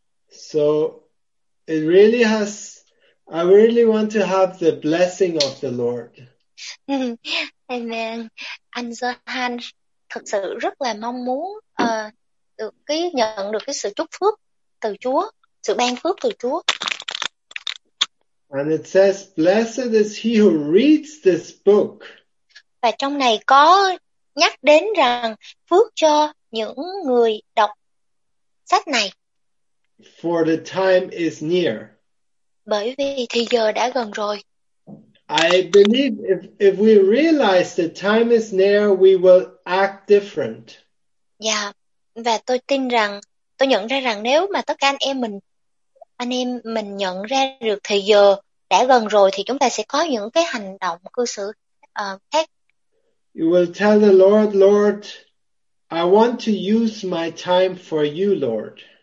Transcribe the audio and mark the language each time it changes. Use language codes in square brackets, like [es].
[en] So it really has, I really want to have the blessing of the Lord. Amen. [vi] Anh Johan thực sự rất là mong muốn nhận được cái sự chúc phước từ Chúa, sự ban phước từ Chúa. [en] And it says, blessed is he who reads this book. [vi] Và trong này có nhắc đến rằng phước cho những người đọc sách này. [en] For the time is near. [vi] Bởi vì thì giờ đã gần rồi. [en] I believe if we realize the time is near, we will act different. Yeah. [vi] Và tôi tin rằng, tôi nhận ra rằng nếu mà tất cả anh em mình nhận ra được thời giờ đã gần rồi thì chúng ta sẽ có những cái hành động cư xử khác. [en] You will tell the Lord, Lord, I want to use my time for you, Lord.